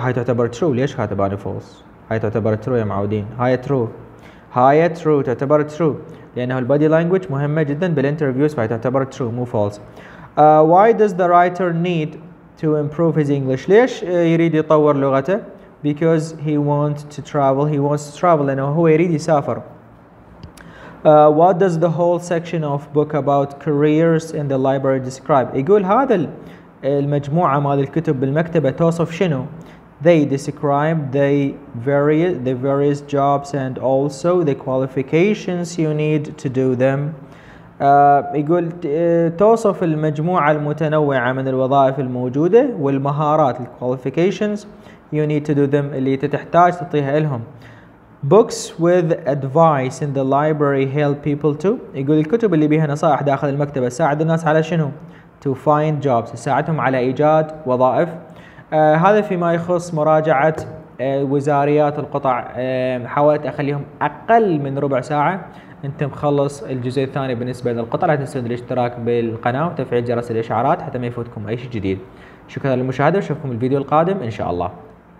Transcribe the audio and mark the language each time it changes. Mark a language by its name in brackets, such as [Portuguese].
[Arabic] هاي تعتبر true، ليش كاتب أنا false؟ هاي تعتبر true يا معودين، هاي true، هاي true، تعتبر true لأنه البادي لانجويج مهمة جدا بالانترفيوز فهي تعتبر true مو false. [English] Why does the writer need to improve his English؟ [Arabic] ليش يريد يطور لغته؟ [English] Because he wants to travel. He wants to travel. And [Arabic] هو يريد يسافر. [English] What does the whole section of book about careers in the library describe? [Arabic] يقول هذا المجموعة مال الكتب بالمكتبة توصف شنو؟ [English] They describe the various jobs and also the qualifications you need to do them. [Arabic] يقول توصف المجموعة المتنوعة من الوظائف الموجودة والمهارات الـ [English] qualifications you need to do them [Arabic] اللي تحتاج تطيها لهم. [English] Books with advice in the library help people to. [Arabic] يقول الكتب اللي بيها نصائح داخل المكتبة ساعد الناس على شنو؟ [English] To find jobs، [Arabic] ساعدهم على إيجاد وظائف. هذا فيما يخص مراجعة وزاريات القطع. حاولت أخليهم أقل من ربع ساعة. أنت مخلص الجزء الثاني بالنسبة للقطع، لا تنسون الاشتراك بالقناة وتفعيل جرس الإشعارات حتى ما يفوتكم أي شيء جديد. شكرا للمشاهدة، وشوفكم الفيديو القادم إن شاء الله.